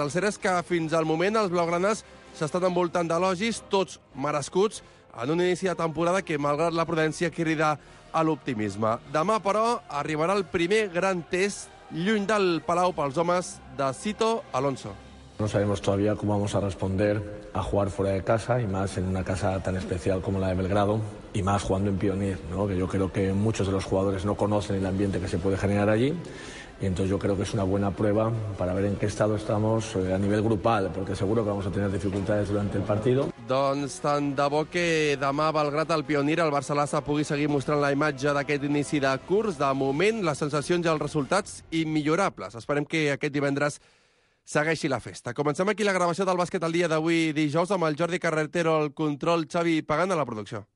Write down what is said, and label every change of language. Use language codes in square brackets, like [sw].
[ca] El cert és que fins al moment els blaugranes s'estan envoltant d'elogis, tots merescuts, en un inici de temporada que, malgrat la prudència, crida a l'optimisme. Demà, però, arribarà el primer gran test lluny del Palau pels homes de Xito Alonso. [es] No sabemos todavía cómo vamos a responder a jugar fuera de casa y más en una casa tan especial como la de Belgrado y más jugando en Pionier, ¿no? Que yo creo que muchos de los jugadores no conocen el ambiente que se puede generar allí y entonces yo creo que es una buena prueba para ver en qué estado estamos a nivel grupal, porque seguro que vamos a tener dificultades durante el partido. [ca] Doncs tant de bo que demà Belgrat al Pionier el Barça l'Assa pugui seguir mostrant la imatge d'aquest inici de curs. De moment, les sensacions i els resultats immillorables. Esperem que aquest divendres segueixi la festa. Comencem aquí la gravació del Bàsquet al dia d'avui dijous amb el Jordi Carretero al control, Xavi Pagant a la producció.